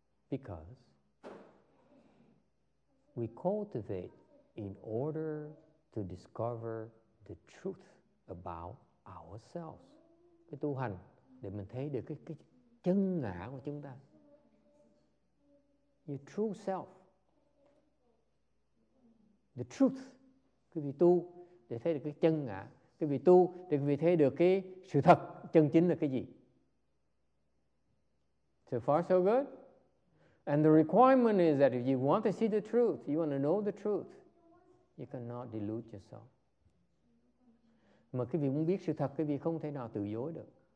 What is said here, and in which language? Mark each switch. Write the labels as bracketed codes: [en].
[en] Because we cultivate in order to discover the truth about ourselves. [vi] Cái tu hành để mình thấy được cái chân ngã của chúng ta. [en] Your true self. The truth. [vi] Quý vị tu để thấy được cái chân ngã. Quý vị tu để quý vị thấy được cái sự thật chân chính là cái gì. [en] So far, so good. And the requirement is that if you want to see the truth, you want to know the truth, you cannot delude yourself. [vi] Mà quý vị muốn biết sự thật, quý vị không thể nào tự dối được.